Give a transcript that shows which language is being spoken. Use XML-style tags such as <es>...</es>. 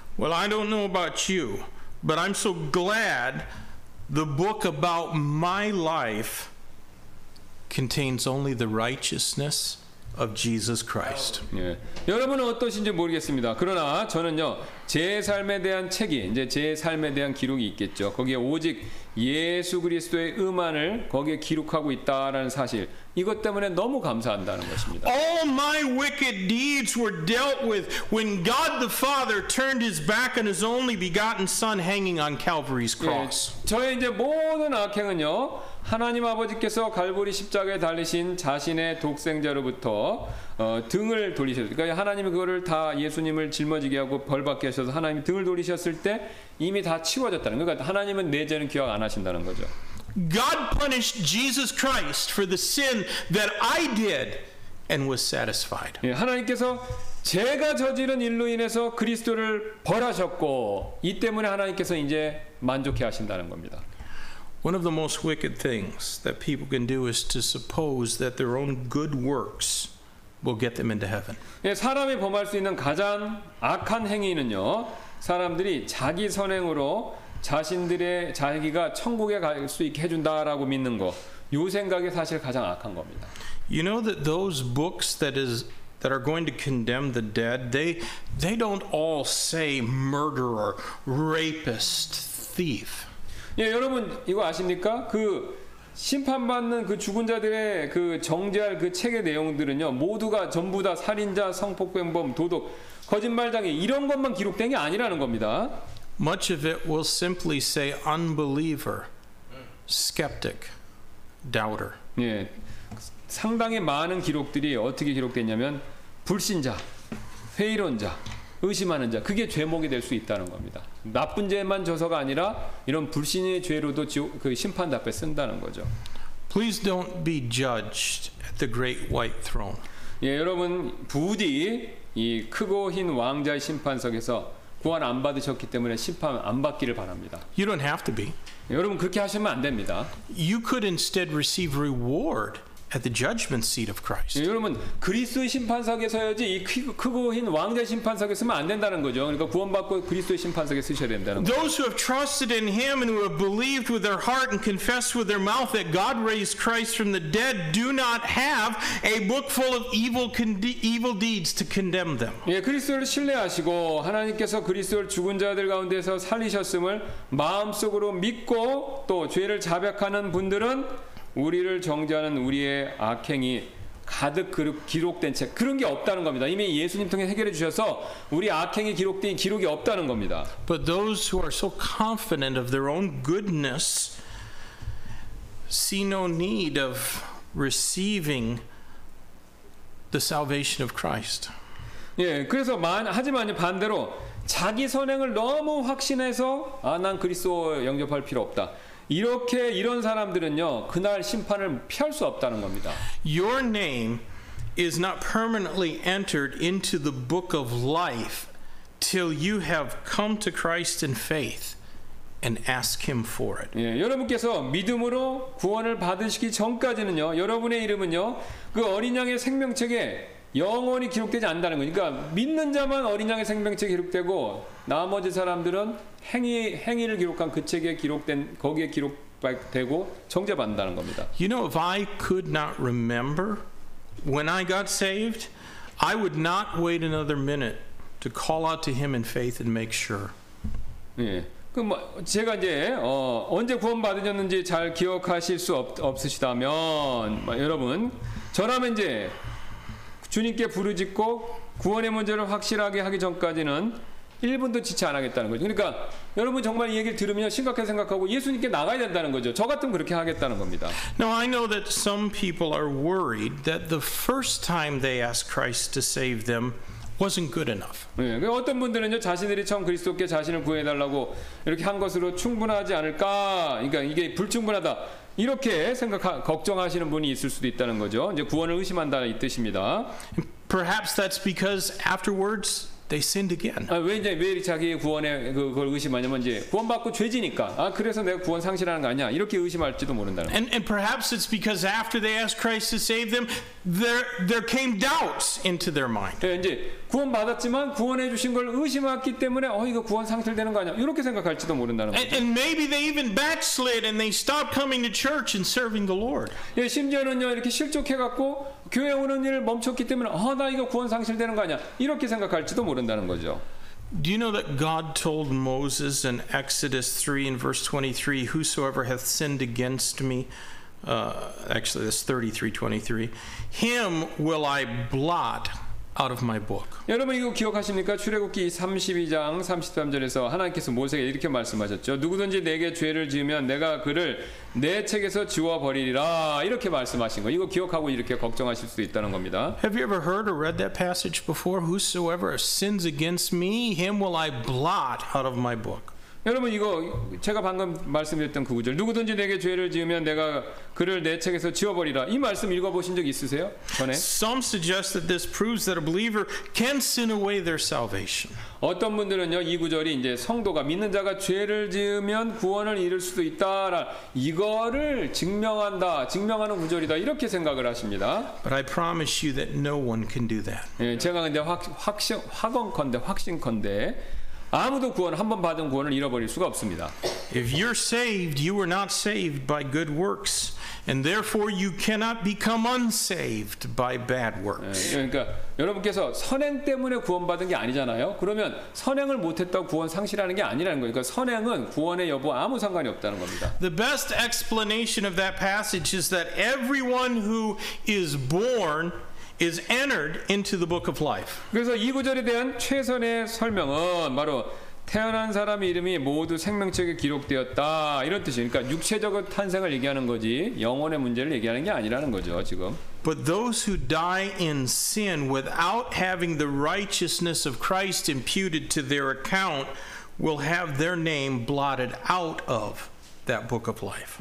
<en>Well, I don't know about you. But I'm so glad the book about my life contains only the righteousness of Jesus Christ.</en> <ko>예, 여러분은 어떠신지 모르겠습니다. 그러나 저는요, 제 삶에 대한 책이 이제 제 삶에 대한 기록이 있겠죠. 거기에 오직 예수 그리스도의 의만을 거기에 기록하고 있다라는 사실 이것 때문에 너무 감사한다는 것입니다.</ko> <en>All my wicked deeds were dealt with when God the Father turned his back on his only begotten son hanging on Calvary's cross.</en> <ko>예, 저의 이제 모든 악행은요. 하나님 아버지께서 갈보리 십자가에 달리신 자신의 독생자로부터 등을 돌리셨어요. 그러니까 하나님이 그거를 다 예수님을 짊어지게 하고 벌 받게 하셔서 하나님이 등을 돌리셨을 때 이미 다 치워졌다는 거예요. 그러니까 하나님은 내 죄는 기억 안 하신다는 거죠.</ko> <en>God punished Jesus Christ for the sin that I did and was satisfied.</en> <ko>예, 하나님께서 제가 저지른 일로 인해서 그리스도를 벌하셨고 이 때문에 하나님께서 이제 만족해 하신다는 겁니다.</ko> <en>One of the most wicked things that people can do is to suppose that their own good works will get them into heaven.</en> <ko>예, 사람이 범할 수 있는 가장 악한 행위는요. 사람들이 자기 선행으로 자신들의 자기가 천국에 갈 수 있게 해 준다라고 믿는 거. 요 생각이 사실 가장 악한 겁니다.</ko> <en>You know that those books that are going to condemn the dead, they don't all say murderer, rapist, thief.</en> <ko>예, 여러분 이거 아십니까? 그 심판받는 그 죽은 자들의 그 정죄할 그 책의 내용들은요. 모두가 전부 다 살인자, 성폭행범, 도둑, 거짓말쟁이 이런 것만 기록된 게 아니라는 겁니다.</ko> <en>Much of it will simply say unbeliever, skeptic, doubter.</en> <ko>예. 상당히 많은 기록들이 어떻게 기록됐냐면 불신자, 회의론자, 의심하는 자 그게 죄목이 될 수 있다는 겁니다. 나쁜 죄만 져서가 아니라 이런 불신의 죄로도 그 심판 답에 쓴다는 거죠.</ko> <en>Please don't be judged at the great white throne.</en> <ko>예, 여러분 부디 이 크고 흰 왕좌의 심판석에서 구원 안 받으셨기 때문에 심판 안 받기를 바랍니다.</ko> <en>You don't have to be.</en> <ko>여러분 그렇게 하시면 안 됩니다.</ko> <en>You could instead receive reward at the judgment seat of Christ.</en> <ko>예, 여러분 그리스도의 심판석에서야지 이 크고 흰 왕좌의 심판석에 쓰면 안 된다는 거죠. 그러니까 구원받고 그리스도의 심판석에 쓰셔야 된다는 거죠.</ko> <en>Those who have trusted in him and who have believed with their heart and confessed with their mouth that God raised Christ from the dead do not have a book full of evil deeds to condemn them.</en> <ko>예, 그리스도를 신뢰하시고 하나님께서 그리스도를 죽은 자들 가운데서 살리셨음을 마음속으로 믿고 또 죄를 자백하는 분들은 우리를 정죄하는 우리의 악행이 가득 기록된 책 그런 게 없다는 겁니다. 이미 예수님 통해 해결해 주셔서 우리 악행이 기록된 기록이 없다는 겁니다.</ko> <en>But those who are so confident of their own goodness see no need of receiving the salvation of Christ.</en> <ko>예, 그래서 하지만 반대로 자기 선행을 너무 확신해서 아, 난 그리스도 영접할 필요 없다. 이렇게 이런 사람들은요 그날 심판을 피할 수 없다는 겁니다.</ko> <en>Your name is not permanently entered into the book of life till you have come to Christ in faith and ask him for it.</en> <ko>예, 여러분께서 믿음으로 구원을 받으시기 전까지는요 여러분의 이름은요 그 어린 양의 생명책에 영원히 기록되지 않는다는 거니까 그러니까 믿는 자만 어린 양의 생명책에 기록되고 나머지 사람들은 행위를 기록한 그 책에 기록된 거기에 기록되고 정죄받는다는 겁니다.</ko> <en>You know, if I could not remember when I got saved, I would not wait another minute to call out to him in faith and make sure.</en> <ko>예. 제가 이제 언제 구원 받으셨는지 잘 기억하실 수 없으시다면 여러분 저라면 이제 주님께 부르짖고 구원의 문제를 확실하게 하기 전까지는 1분도 지체 안 하겠다는 거죠. 그러니까 여러분 정말 이 얘기를 들으면 심각하게 생각하고 예수님께 나가야 된다는 거죠. 저 같으면 그렇게 하겠다는 겁니다.</ko> <en>Now I know that some people are worried that the first time they asked Christ to save them wasn't good enough.</en> <ko>네, 어떤 분들은요 자신들이 처음 그리스도께 자신을 구해달라고 이렇게 한 것으로 충분하지 않을까 그러니까 이게 불충분하다 이렇게 걱정하시는 분이 있을 수도 있다는 거죠. 이제 구원을 의심한다는 뜻입니다.</ko> <en>Perhaps that's because afterwards they sinned again.</en> <ko>아, 왜 자기 구원에 그걸 의심하냐면 이제 구원받고 죄지니까. 아, 그래서 내가 구원 상실하는 거 아니야. 이렇게 의심할지도 모른다는.</ko> <en>And perhaps it's because after they asked Christ to save them, there came doubts into their mind.</en> <ko>네, 이제 구원받았지만 구원해 주신 걸 의심했기 때문에 이거 구원 상실되는 거 아니야. 이렇게 생각할지도 모른다는.</ko> <en>And maybe they even backslid and they stopped coming to church and serving the Lord.</en> <ko>예, 네, 심지어는요. 이렇게 실족해 갖고 교회 오는 일을 멈췄기 때문에 나 이거 구원 상실되는 거 아니야. 이렇게 생각할지도 모른다는 거죠.</ko> <en>Do you know that God told Moses in Exodus 3 and verse 23, whosoever hath sinned against me, actually this 33:23, him will I blot out of my book.</en> <ko>여러분 이거 기억하십니까? 출애굽기 32장 33절에서 하나님께서 모세에게 이렇게 말씀하셨죠. 누구든지 내게 죄를 지으면 내가 그를 내 책에서 지워 버리리라. 이렇게 말씀하신 거. 이거 기억하고 이렇게 걱정하실 수도 있다는 겁니다.</ko> <en>Have you ever heard or read that passage before? Whosoever sins against me, him will I blot out of my book.</en> <ko>여러분 이거 제가 방금 말씀드렸던 그 구절 누구든지 내게 죄를 지으면 내가 그를 내 책에서 지워버리라 이 말씀 읽어보신 적 있으세요? 전에?</ko> <en>Some suggest that this proves that a believer can sin away their salvation.</en> <ko>어떤 분들은요 이 구절이 이제 성도가 믿는 자가 죄를 지으면 구원을 잃을 수도 있다라 이거를 증명한다 증명하는 구절이다 이렇게 생각을 하십니다.</ko> <en>But I promise you that no one can do that.</en> <ko>예, 제가 근데 확신컨대 아무도 구원 한번 받은 구원을 잃어버릴 수가 없습니다.</ko> <en>If you're saved, you were not saved by good works, and therefore you cannot become unsaved by bad works.</en> <ko>그러니까 여러분께서 선행 때문에 구원받은 게 아니잖아요. 그러면 선행을 못했다고 구원 상실하는 게 아니라는 거예요. 그러니까 선행은 구원의 여부 아무 상관이 없다는 겁니다.</ko> <en>The best explanation of that passage is that everyone who is born is entered into the book of life.</en> <ko>그래서 이 구절에 대한 최선의 설명은 바로 태어난 사람의 이름이 모두 생명책에 기록되었다 이런 뜻이에요. 그러니까 육체적인 탄생을 얘기하는 거지 영혼의 문제를 얘기하는 게 아니라는 거죠, 지금.</ko> <en>But those who die in sin without having the righteousness of Christ imputed to their account will have their name blotted out of that book of life.</en>